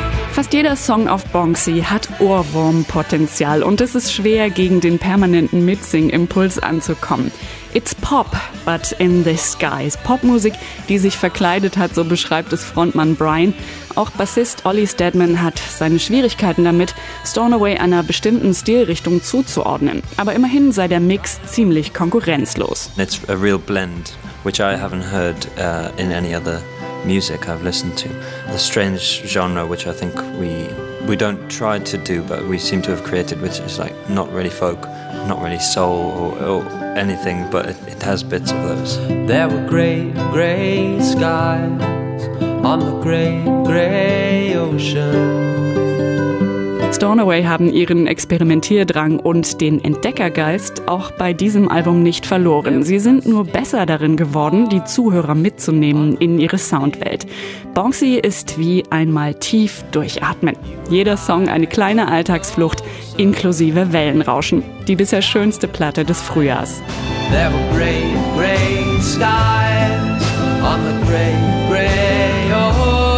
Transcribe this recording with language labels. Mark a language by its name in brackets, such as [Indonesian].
[German] Fast Nicht jeder Song auf Bongsy hat Ohrwurmpotenzial und es ist schwer, gegen den permanenten Mitsing-Impuls anzukommen. [English] It's pop, but in disguise. [German] Popmusik, die sich verkleidet hat, so beschreibt es Frontmann Brian. Auch Bassist Ollie Steadman hat seine Schwierigkeiten damit, Stornoway einer bestimmten Stilrichtung zuzuordnen. Aber immerhin sei der Mix ziemlich konkurrenzlos. [English] It's a real blend, which I haven't heard in any other music I've listened to. The strange genre, which I think we don't try to do, but we seem to have created, which is like not really folk, not really soul or anything, but it has bits of those. There were grey, grey skies on the grey, grey ocean. [German] Stornoway haben ihren Experimentierdrang und den Entdeckergeist auch bei diesem Album nicht verloren. Sie sind nur besser darin geworden, die Zuhörer mitzunehmen in ihre Soundwelt. Bongsy ist wie einmal tief durchatmen. Jeder Song eine kleine Alltagsflucht inklusive Wellenrauschen. Die bisher schönste Platte des Frühjahrs. [English] There were gray, gray skies on the gray, gray ocean.